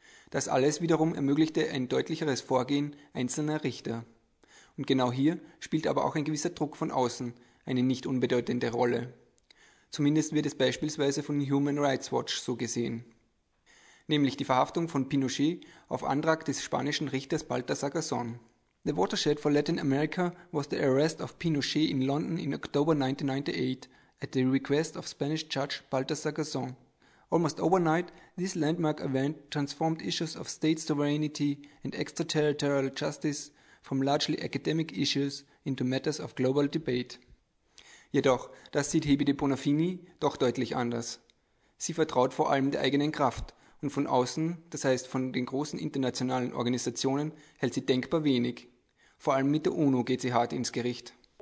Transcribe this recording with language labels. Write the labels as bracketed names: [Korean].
[German] Das alles wiederum ermöglichte ein deutlicheres Vorgehen einzelner Richter. Und genau hier spielt aber auch ein gewisser Druck von außen eine nicht unbedeutende Rolle. Zumindest wird es beispielsweise von Human Rights Watch so gesehen. Nämlich die Verhaftung von Pinochet auf Antrag des spanischen Richters Baltasar Garzón. [English] The watershed for Latin America was the arrest of Pinochet in London in October 1998 at the request of Spanish judge Baltasar Garzón. Almost overnight, this landmark event transformed issues of state sovereignty and extraterritorial justice from largely academic issues into matters of global debate. [German] Jedoch, das sieht Hebe de Bonafini doch deutlich anders. Sie vertraut vor allem der eigenen Kraft und von außen, das heißt von den großen internationalen Organisationen, hält sie denkbar wenig. Vor allem mit der UNO geht sie hart ins Gericht.